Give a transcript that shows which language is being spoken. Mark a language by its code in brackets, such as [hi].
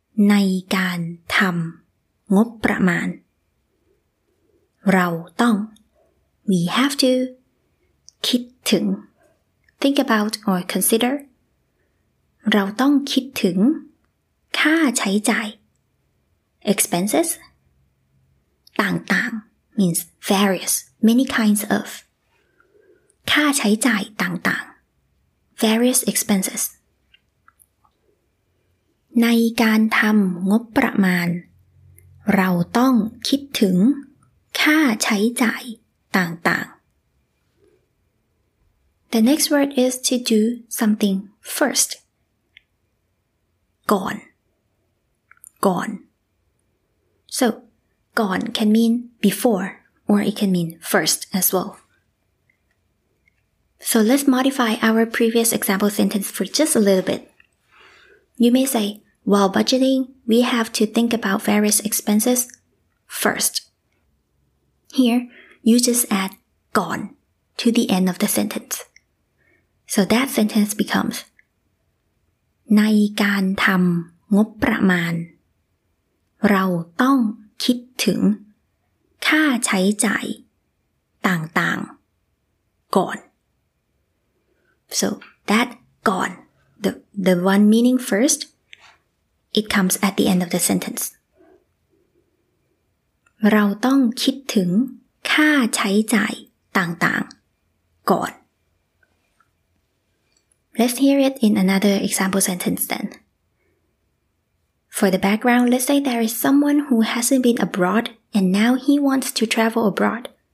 [th] ในการทำงบประมาณเราต้อง [en] We have to คิดถึง think about or consider [th] เราต้องคิดถึงค่าใช้จ่าย [en] Expenses, ต่างๆ means various, many kinds of. [th] ค่าใช้จ่ายต่าง [en] ๆ various expenses. [th] ในการทำงบประมาณเราต้องคิดถึงค่าใช้จ่ายต่าง [en] ๆ The next word is to do something first. [th] ก่อน [en] So, ก่อน can mean before or it can mean first as well. So let's modify our previous example sentence for just a little bit. You may say, while budgeting, we have to think about various expenses first. Here, you just add gone to the end of the sentence. So that sentence becomes, [th] ในการทำงบประมาณเราต้องคิดถึงค่าใช้จ่ายต่างๆก่อน [en] So that gone, the one meaning first, it comes at the end of the sentence. [th] เราต้องคิดถึงค่าใช้จ่ายต่างๆก่อน [en] Let's hear it in another example sentence then. For the background, let's say there is someone who hasn't been abroad and now he wants to travel abroad.